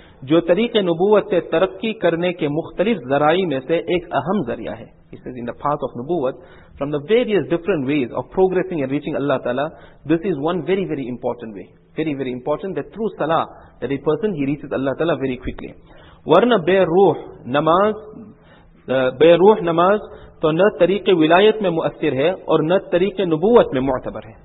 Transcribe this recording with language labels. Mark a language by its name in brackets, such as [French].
[Urdu] جو طریق نبوت سے ترقی کرنے کے مختلف ذرائع میں سے ایک اہم ذریعہ ہے. [English] He says in the path of nubuwat, from the various different ways of progressing and reaching Allah Ta'ala, this is one very, very important way. Very, very important that through salah, that a person, he reaches Allah Ta'ala very quickly. [Urdu] ورنہ بے روح نماز تو نہ طریق ولایت میں مؤثر ہے اور نہ طریق نبوت میں معتبر ہے.